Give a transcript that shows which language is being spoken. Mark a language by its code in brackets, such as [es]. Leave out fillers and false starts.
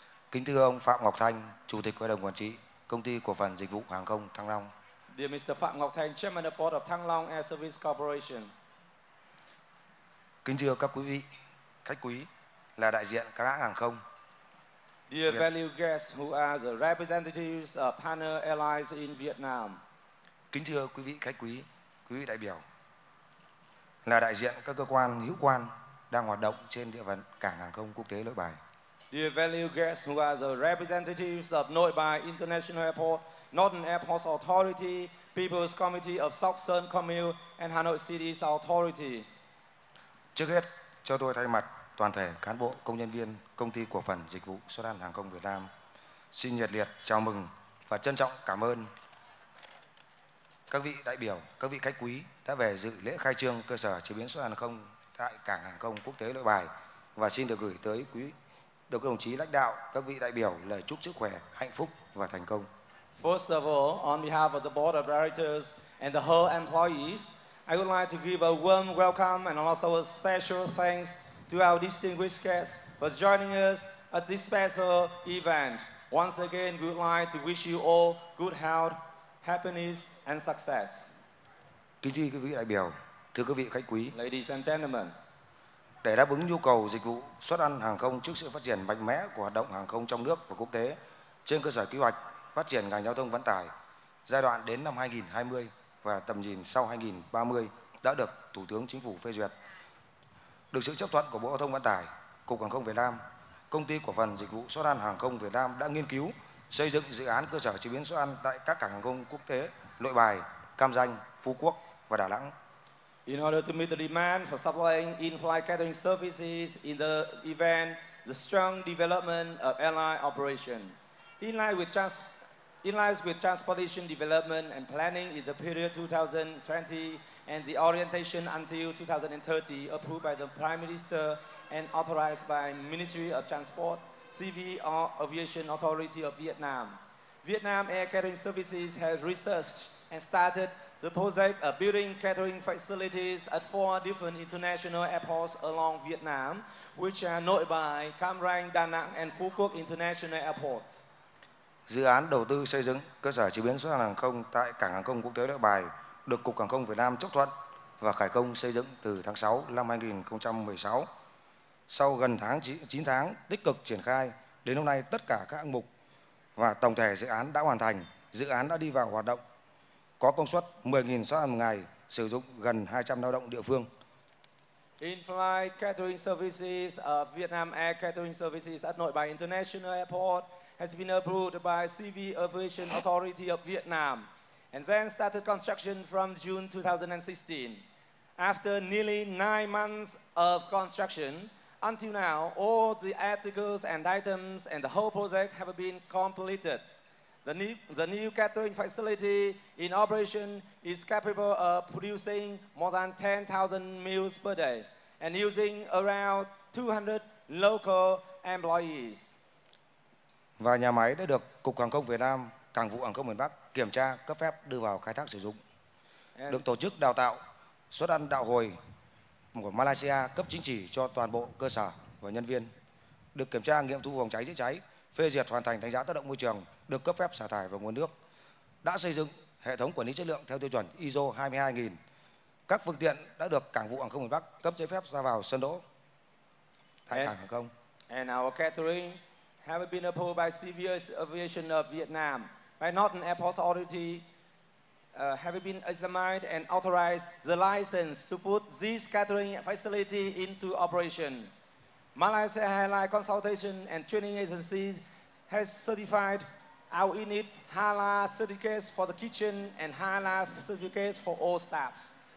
[vi] Kính thưa ông Phạm Ngọc Thanh, Chủ tịch Hội đồng Quản trị Công ty Cổ phần Dịch vụ Hàng không Thăng Long. [en] Dear Mr. Phạm Ngọc Thanh, Chairman of Board of Thăng Long Air Service Corporation. [vi] Kính thưa các quý vị, khách quý là đại diện các hãng hàng không. [en] Dear valued guests who are the representatives of partner airlines in Vietnam. [vi] Kính thưa quý vị khách quý, quý vị đại biểu là đại diện các cơ quan hữu quan đang hoạt động trên địa phận cảng hàng không quốc tế Nội Bài. [en] Dear valued guests who are the representatives of Nội Bài International Airport, Northern Airports Authority, People's Committee of Sóc Sơn Commune and Hanoi City's Authority. [vi] Trước hết, cho tôi thay mặt toàn thể cán bộ công nhân viên Công ty Cổ phần Dịch vụ Xuất ăn Hàng không Việt Nam xin nhiệt liệt chào mừng và trân trọng cảm ơn các vị đại biểu, các vị khách quý đã về dự lễ khai trương cơ sở chế biến xuất hàng không tại Cảng Hàng không Quốc tế Nội Bài và xin được gửi tới quý được đồng chí lãnh đạo, các vị đại biểu lời chúc sức khỏe, hạnh phúc và thành công. [en] First of all, on behalf of the Board of Directors and the whole employees, I would like to give a warm welcome and also a special thanks to our distinguished guests for joining us at this special event. Once again, we would like to wish you all good health, happiness and success. [vi] Kính thưa quý vị đại biểu, thưa quý vị khách quý. [en] Ladies and gentlemen. [vi] Để đáp ứng nhu cầu dịch vụ xuất ăn hàng không trước sự phát triển mạnh mẽ của hoạt động hàng không trong nước và quốc tế, trên cơ sở kế hoạch phát triển ngành giao thông vận tải giai đoạn đến năm 2020 và tầm nhìn sau 2030 đã được Thủ tướng Chính phủ phê duyệt. Được sự chấp thuận của Bộ Giao thông Vận tải, Cục Hàng không Việt Nam, Công ty Cổ phần Dịch vụ Xuất ăn Hàng không Việt Nam đã nghiên cứu xây dựng dự án cơ sở chế biến xuất ăn tại các cảng hàng không quốc tế Nội Bài, Cam Ranh, Phú Quốc và Đà Nẵng. [en] In order to meet the demand for supplying in-flight catering services in the event, the strong development of airline operation. In line with transportation development and planning in the period 2020 and the orientation until 2030 approved by the Prime Minister and authorized by Ministry of Transport, Civil Aviation Authority of Vietnam. Vietnam Air Catering Services has researched and started the project of building catering facilities at four different international airports along Vietnam, which are Nội Bài, Cam Ranh, Đà Nẵng and Phú Quốc International Airports. [vi] Dự án đầu tư xây dựng cơ sở chế biến xuất hàng không tại Cảng Hàng không Quốc tế Nội Bài được Cục Hàng không Việt Nam chấp thuận và khởi công xây dựng từ tháng 6 năm 2016. Sau gần 9 tháng tích cực triển khai, đến hôm nay tất cả các hạng mục và tổng thể dự án đã hoàn thành, dự án đã đi vào hoạt động, có công suất 10.000 suất ăn một ngày, sử dụng gần 200 lao động địa phương. [en] In-flight catering services of Vietnam Air Catering Services at Nội Bài International Airport has been approved by Civil Aviation Authority of Vietnam and then started construction from June 2016. After nearly 9 months of construction, until now, all the articles and items and the whole project have been completed. The new catering facility in operation is capable of producing more than 10,000 meals per day and using around 200 local employees. [vi] Và nhà máy đã được Cục Hàng không Việt Nam, Cảng vụ Hàng không miền Bắc kiểm tra cấp phép đưa vào khai thác sử dụng. [en] And [vi] được tổ chức đào tạo xuất ăn đạo hồi của Malaysia cấp chứng chỉ cho toàn bộ cơ sở và nhân viên. Được kiểm tra nghiệm thu phòng cháy chữa cháy, phê duyệt hoàn thành đánh giá tác động môi trường, được cấp phép xả thải vào nguồn nước. Đã xây dựng hệ thống quản lý chất lượng theo tiêu chuẩn ISO 22000. Các phương tiện đã được Cảng vụ Hàng không miền Bắc cấp giấy phép ra vào sân đỗ tại cảng hàng không. [en] And our catering have been approved by Civil Aviation of Vietnam, by Northern Airport Authority, have been examined and authorized the license to put this catering facility into operation. Malaysia Airline Consultation and Training Agency has certified our unit halal certificates for the kitchen and halal certificates for all staffs.